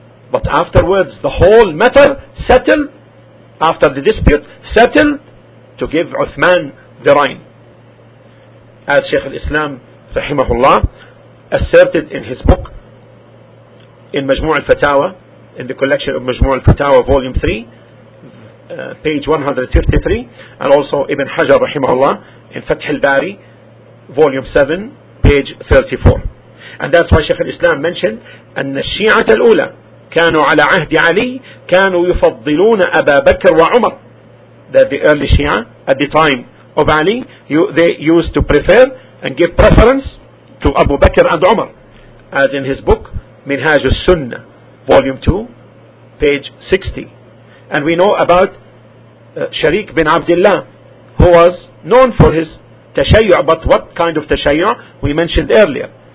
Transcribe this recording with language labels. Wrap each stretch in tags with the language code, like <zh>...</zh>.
<en>But afterwards the whole matter settled, after the dispute settled, to give Uthman the reign, as Shaykh al-Islam rahimahullah asserted in his book in Majmu' al-Fatawa, in the collection of Majmu' al-Fatawa volume 3 page 153, and also Ibn Hajar rahimahullah in Fath al-Bari volume 7 page 34. And that's why Shaykh al-Islam mentioned</en> <ar>أن الشيعة الأولى كانوا على عهد علي كانوا يفضلون أبا بكر وعمر.</ar> <en>That the early Shia at the time of Ali, they used to prefer and give preference to Abu Bakr and Umar, as in his book Minhaj al-Sunnah volume 2 page 60. And we know about Shariq bin Abdullah, who was known for his tashayyu', but what kind of tashayyu' we mentioned earlier.</en>